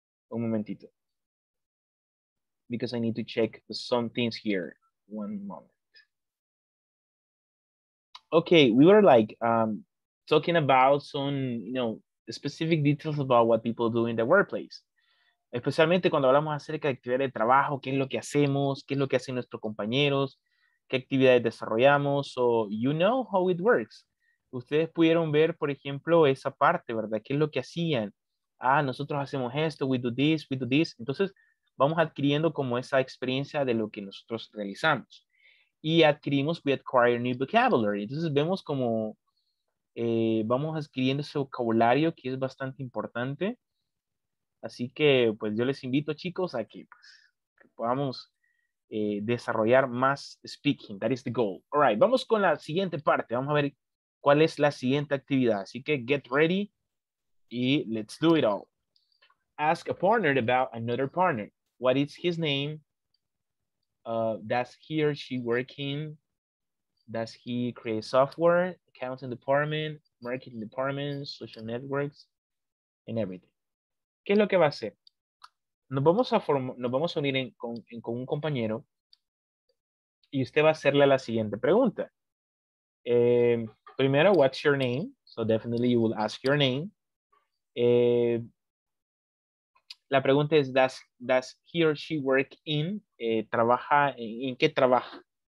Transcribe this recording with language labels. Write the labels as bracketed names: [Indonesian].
[Spanish] Un momentito. [English] Because I need to check some things here. One moment. Okay, we were like talking about some, you know, specific details about what people do in the workplace. [Spanish] Especialmente cuando hablamos acerca de actividades de trabajo, qué es lo que hacemos, qué es lo que hacen nuestros compañeros, qué actividades desarrollamos. [English] So you know how it works. [Spanish] Ustedes pudieron ver, por ejemplo, esa parte, ¿verdad? ¿Qué es lo que hacían? Ah, nosotros hacemos esto, [English] we do this, we do this. [Spanish] Entonces, vamos adquiriendo como esa experiencia de lo que nosotros realizamos. Y adquirimos, [English] we acquire new vocabulary. [Spanish] Entonces, vemos como vamos adquiriendo ese vocabulario que es bastante importante. Así que, pues, yo les invito, chicos, a que, pues, que podamos desarrollar más speaking. [English] That is the goal. All right, [Spanish] vamos con la siguiente parte. Vamos a ver cuál es la siguiente actividad. Así que, [English] get ready y let's do it all. Ask a partner about another partner. What is his name? Does he or she work in? Does he create software? Accounting department, marketing department, social networks, and everything. [Spanish] ¿Qué es lo que va a hacer? Nos vamos a unir con un compañero y usted va a hacerle la siguiente pregunta. [English] Primero, what's your name? So definitely you will ask your name. [Spanish] La pregunta es, [English] does he or she work in, [Spanish] trabaja, ¿en qué trabaja?